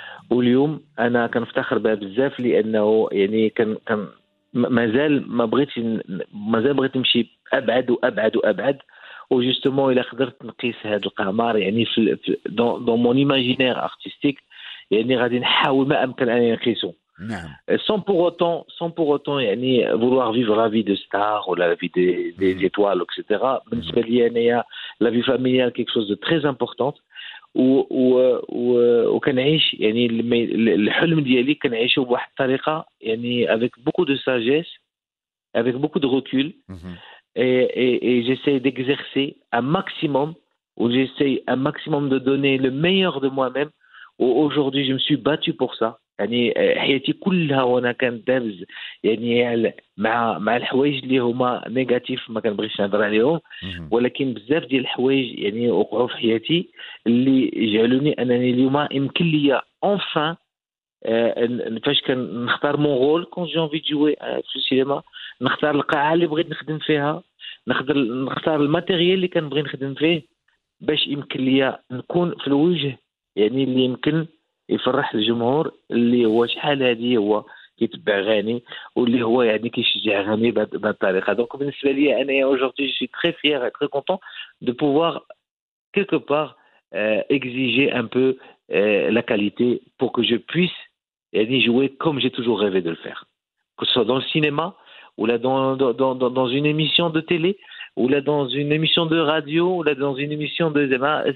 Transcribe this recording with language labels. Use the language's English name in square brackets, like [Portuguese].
[Arabic] واليوم أنا كنفتخر بها بزاف لأنه يعني كان مازال ما بغيت نمشي أبعد وأبعد وأبعد و justement إلى خدرت نقيس هذا القمر يعني في [French] dans mon imaginaire artistique [Arabic] يعني غادي نحاول ما أمكن أن نقيسه. نعم. [French] sans pour autant يعني vouloir vivre la vie de star ou la vie des étoiles etc. [Arabic] بالنسبة لي أنا [French] la vie familiale quelque chose de très importante [Arabic] و كنعيش يعني الحلم ديالي كنعيشه بواحد الطريقة يعني [French] avec beaucoup de sagesse avec beaucoup de recul. Et j'essaie d'exercer un maximum, ou j'essaie un maximum de donner le meilleur de moi-même. Où aujourd'hui, je me suis battu pour ça. [Arabic] يعني حياتي كلها وانا كان دابز يعني مع الحوايج اللي هما نيجاتيف ما كنبغيش نهضر عليهم ولكن بزاف ديال الحوايج يعني وقعوا في حياتي اللي جعلوني انني اليوم يمكن ليا enfin فاش كنختار مون رول كون جي انفي جوي في السينما نختار القاعة اللي بغيت نخدم فيها نختار الماتيريال اللي كنبغي نخدم فيه باش يمكن ليا نكون في الوجه يعني اللي يمكن يفرح الجمهور اللي هو شحال هذه هو كيتبع غاني واللي هو يعني كيشجع غاني بهذه الطريقه. دونك بالنسبه لي انا [French] aujourd'hui je suis très fier et très content de pouvoir quelque part exiger un peu la qualité pour que je puisse يعني jouer comme j'ai toujours rêvé de le faire, que ce soit dans le cinéma ou là dans une émission de télé ou là dans une émission de radio ou là dans une émission de zama.